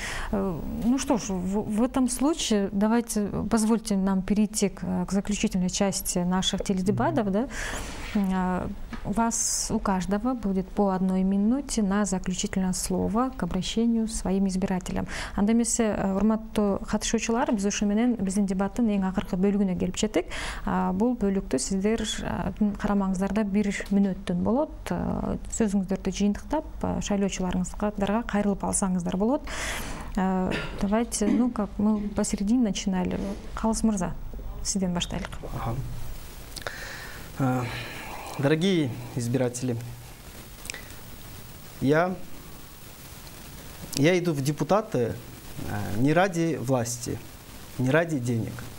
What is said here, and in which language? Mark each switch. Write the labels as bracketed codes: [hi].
[ru] Ну что ж, в этом случае давайте позвольте нам перейти к заключительной части наших теледебатов. Да? У вас у каждого будет по одной минуте на заключительное слово к обращению своим избирателям. [ky] Андамисе урматту хатышучылар, биз ушу менен биздин дебаттын эң акыркы бөлүгүнө келип жеттик. Бул бөлүктө сиздер карамаңыздарда бир мүнөттүн болот. Сөзүңүздөрдү жыйынтыктап, шайлоочуларыңызга кайрылып алсаңыздар болот. [ru] Давайте, ну как мы посередине начинали. [ky] Калыс Мырза, сиден баштайлык. [ru] Дорогие избиратели, я иду в депутаты не ради власти, не ради денег.